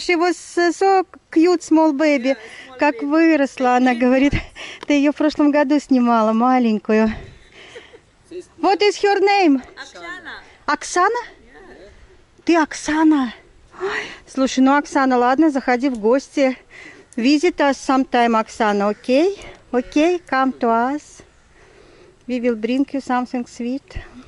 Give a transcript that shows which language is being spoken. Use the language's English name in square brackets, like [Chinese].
[English] She was so cute, small baby. Yeah, small baby. [Russian] Как выросла, она говорит. Ты ее в прошлом году снимала, маленькую. [English] What is her name? [Russian] Оксана. Оксана? Ты Оксана? Ой, слушай, ну Оксана, ладно, заходи в гости. [English] Visit us sometime, Оксана, окей? Окей, come to us. We will bring you something sweet.